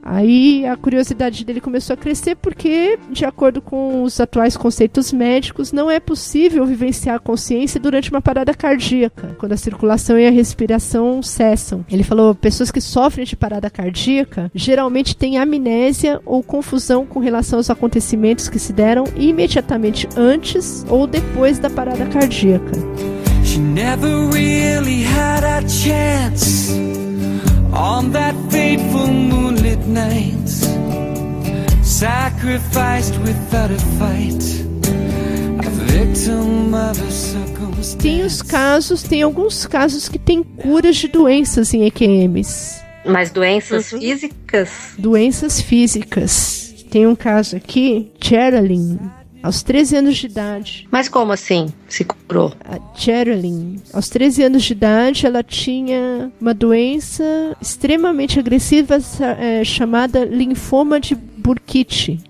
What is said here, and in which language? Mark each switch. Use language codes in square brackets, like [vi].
[pt] Aí a curiosidade dele começou a crescer porque, de acordo com os atuais conceitos médicos, não é possível vivenciar a consciência durante uma parada cardíaca, quando a circulação e a respiração cessam. Ele falou, pessoas que sofrem de parada cardíaca geralmente têm amnésia ou confusão com relação aos acontecimentos que se deram imediatamente antes ou depois da parada cardíaca. [en] She never really had a chance on that fateful moonlit night, sacrificed without a fight, a victim of a circumstance. [pt] Tem os casos, tem alguns casos que tem curas de doenças em EQMs. Mas doenças físicas? Doenças físicas. Tem um caso aqui, Geraldine, aos 13 anos de idade. Mas como assim se curou? A Geraldine, aos 13 anos de idade, ela tinha uma doença extremamente agressiva chamada linfoma de Burkitt.